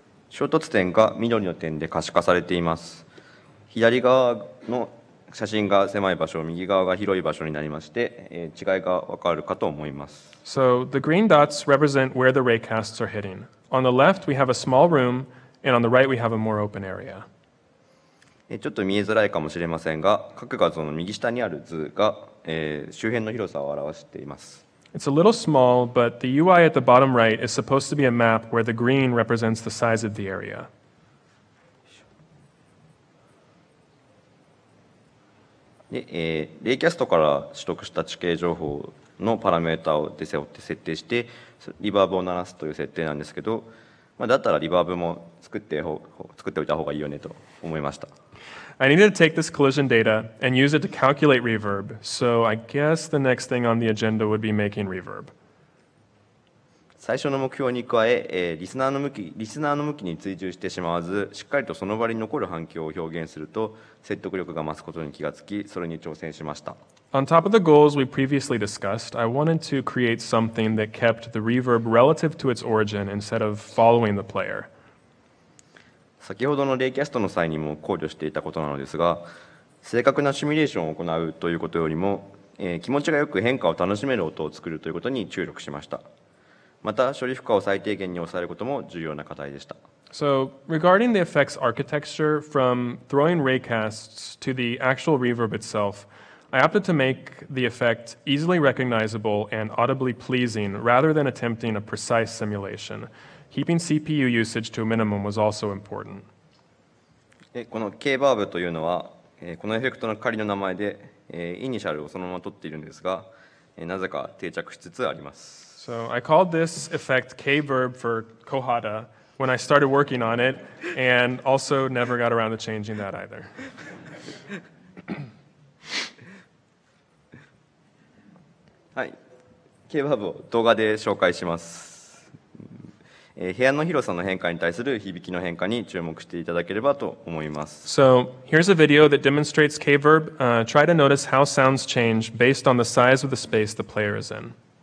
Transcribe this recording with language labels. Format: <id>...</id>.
<ja>衝突点が緑の点で可視化されています。左側の写真が狭い場所、右側が広い場所になりまして、違いが分かるかと思います。</ja> <en>So, the green dots represent where the raycasts are hitting. On the left, we have a small room, and on the right, we have a more open area.</en> <ja>ちょっと見えづらいかもしれませんが、各画像の右下にある図が、周辺の広さを表しています。</ja> <en>It's a little small, but the UI at the bottom right is supposed to be a map where the green represents the size of the area.</en> <ja>レイキャストから取得した地形情報のパラメータを背負って設定してリバーブを鳴らすという設定なんですけど、まあ、だったらリバーブも作っておいた方がいいよねと思いました。</ja> <en>I needed to take this collision data and use it to calculate reverb, so I guess the next thing on the agenda would be making reverb.</en> <ja>最初の目標に加え、リスナーの向きに追従してしまわず、しっかりとその場に残る反響を表現すると説得力が増すことに気がつき、それに挑戦しました。</ja> <en>On top of the goals we previously discussed, I wanted to create something that kept the reverb relative to its origin instead of following the player.</en> <ja>先ほどのレイキャストの際にも考慮していたことなのですが、正確なシミュレーションを行うということよりも、気持ちがよく変化を楽しめる音を作るということに注力しました。また処理負荷を最低限に抑えることも重要な課題でした。</ja> <en>So, regarding the effects architecture, from throwing raycasts to the actual reverb itself, I opted to make the effect easily recognizable and audibly pleasing rather than attempting a precise simulation. Keeping CPU usage to a minimum was also important.</en> <ja>この K バーブというのは、このエフェクトの仮の名前で、イニシャルをそのまま取っているんですが、なぜか定着しつつあります。</ja> <en>So, I called this effect K-verb for Kohada when I started working on it, and also never got around to changing that either.</en> <ja>はい、K-verb を動画で紹介します。部屋の広さの変化に対する響きの変化に注目していただければと思います。</ja> <en>So, here's a video that demonstrates K-verb. Try to notice how sounds change based on the size of the space the player is in.</en>